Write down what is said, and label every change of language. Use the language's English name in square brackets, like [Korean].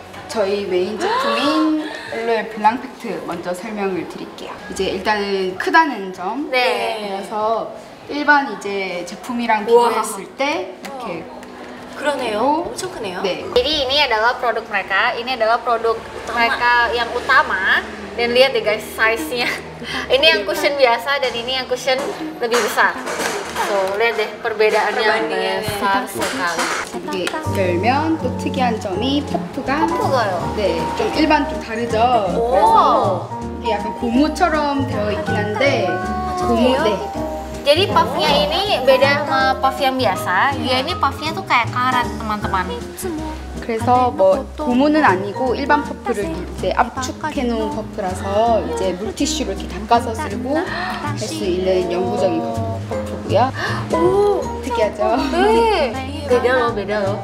[Indonesian] Jadi, main [Korean] 제품인 엘로엘 블랑 팩트 먼저 설명을 드릴게요. 이제 일단은 크다는 점. 네. 그래서 일반 이제 제품이랑 비교했을 때 이렇게 그러네요. 엄청 크네요. 네. [Indonesian] Jadi ini adalah produk mereka. Ini adalah produk utama. Mereka yang utama. Dan lihat deh guys, size-nya. Ini yang cushion biasa dan ini yang cushion lebih besar. So, lihat deh perbedaannya besar sekali. Ini kelmen tuh [Korean] 특이한 점이 퍼프가 퍼프가요. 네. 좀 일반 좀 다르죠. 오. 이게 약간 고무처럼 되어 있긴 한데 고무 네. [Indonesian] Jadi puff-nya ini beda sama puff yang biasa. Dia ini puff-nya tuh kayak karat, teman-teman. [Korean] 그래서 뭐 고무는 아니고 일반 퍼프를 이제 압축해 놓은 퍼프라서 이제 물티슈로 이렇게 닦아서 쓰고 할 수 있는 영구적인 퍼프고요. 오, 특이하죠? 네. 매력.